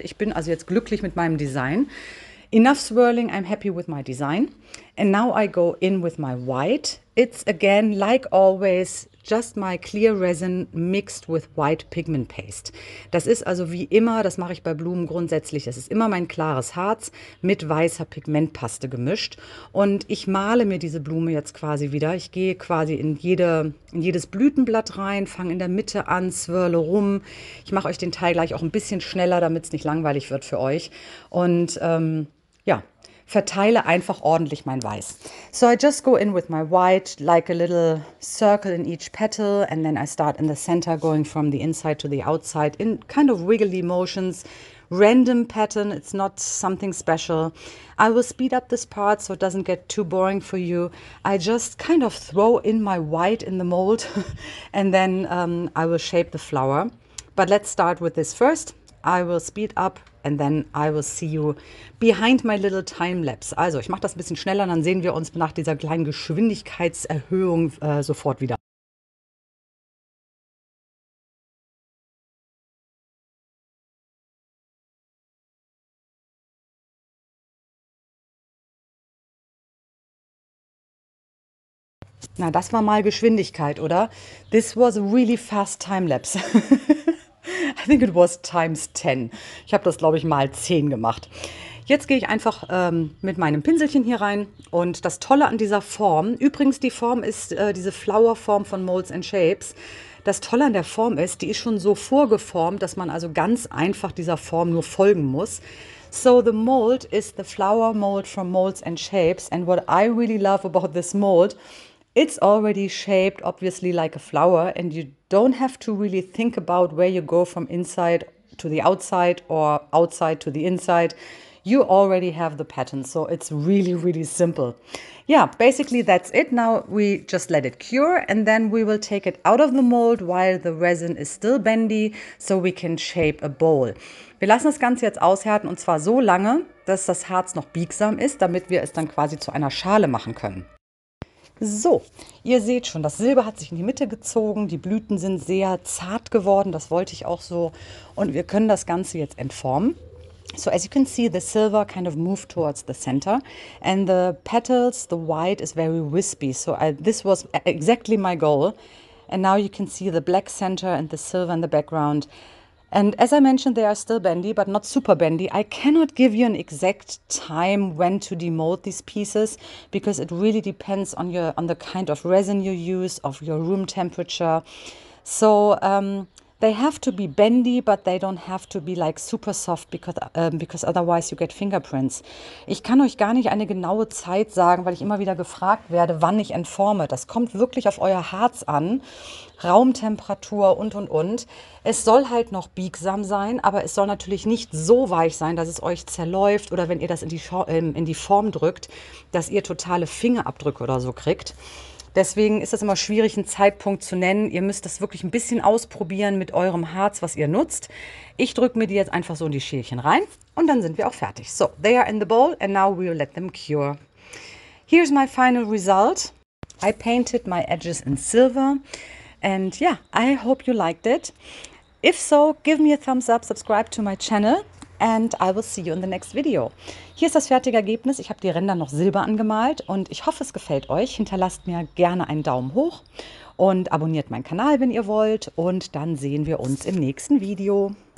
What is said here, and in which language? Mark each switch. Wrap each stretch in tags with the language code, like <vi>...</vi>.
<de>Ich bin also jetzt glücklich mit meinem Design.</de> <en>Enough swirling, I'm happy with my design. And now I go in with my white. It's again, like always, just my clear resin mixed with white pigment paste.</en> <de>Das ist also wie immer, das mache ich bei Blumen grundsätzlich, das ist immer mein klares Harz mit weißer Pigmentpaste gemischt. Und ich male mir diese Blume jetzt quasi wieder. Ich gehe quasi in jedes Blütenblatt rein, fange in der Mitte an, swirle rum. Ich mache euch den Teil gleich auch ein bisschen schneller, damit es nicht langweilig wird für euch. Und ja. Verteile einfach ordentlich mein Weiß.</de> <en>So I just go in with my white, like a little circle in each petal, and then I start in the center, going from the inside to the outside in kind of wiggly motions. Random pattern, it's not something special. I will speed up this part so it doesn't get too boring for you. I just kind of throw in my white in the mold and then I will shape the flower. But let's start with this first. I will speed up. And then I will see you behind my little time-lapse.</en> <de>Also, ich mache das ein bisschen schneller, dann sehen wir uns nach dieser kleinen Geschwindigkeitserhöhung sofort wieder. Na, das war mal Geschwindigkeit, oder?</de> <en>This was a really fast time-lapse. I think it was times 10.</en> <de>Ich habe das, glaube ich, mal 10 gemacht. Jetzt gehe ich einfach mit meinem Pinselchen hier rein. Und das Tolle an dieser Form, übrigens die Form ist diese Flower-Form von Molds and Shapes. Das Tolle an der Form ist, die ist schon so vorgeformt, dass man also ganz einfach dieser Form nur folgen muss.</de> <en>So the mold is the flower mold from Molds and Shapes. And what I really love about this mold, it's already shaped obviously like a flower and you don't have to really think about where you go from inside to the outside or outside to the inside. You already have the pattern, so it's really, really simple. Yeah, basically that's it. Now we just let it cure and then we will take it out of the mold while the resin is still bendy, so we can shape a bowl.</en> <de>Wir lassen das Ganze jetzt aushärten und zwar so lange, dass das Harz noch biegsam ist, damit wir es dann quasi zu einer Schale machen können. So, ihr seht schon, das Silber hat sich in die Mitte gezogen, die Blüten sind sehr zart geworden, das wollte ich auch so. Und wir können das Ganze jetzt entformen.</de> <en>So, as you can see, the silver kind of moved towards the center. And the petals, the white is very wispy. So, this was exactly my goal. And now you can see the black center and the silver in the background. And as I mentioned, they are still bendy, but not super bendy. I cannot give you an exact time when to demold these pieces, because it really depends on on the kind of resin you use, of your room temperature. So they have to be bendy, but they don't have to be like super soft, because otherwise you get fingerprints.</en> <de>Ich kann euch gar nicht eine genaue Zeit sagen, weil ich immer wieder gefragt werde, wann ich entforme. Das kommt wirklich auf euer Harz an. Raumtemperatur und und. Es soll halt noch biegsam sein, aber es soll natürlich nicht so weich sein, dass es euch zerläuft oder wenn ihr das in die Form drückt, dass ihr totale Fingerabdrücke oder so kriegt. Deswegen ist das immer schwierig, einen Zeitpunkt zu nennen. Ihr müsst das wirklich ein bisschen ausprobieren mit eurem Harz, was ihr nutzt. Ich drücke mir die jetzt einfach so in die Schälchen rein und dann sind wir auch fertig.</de> <en>So, they are in the bowl and now we will let them cure. Here's my final result. I painted my edges in silver. And yeah, I hope you liked it. If so, give me a thumbs up, subscribe to my channel and I will see you in the next video.</en> <de>Hier ist das fertige Ergebnis. Ich habe die Ränder noch silber angemalt und ich hoffe, es gefällt euch. Hinterlasst mir gerne einen Daumen hoch und abonniert meinen Kanal, wenn ihr wollt. Und dann sehen wir uns im nächsten Video.</de>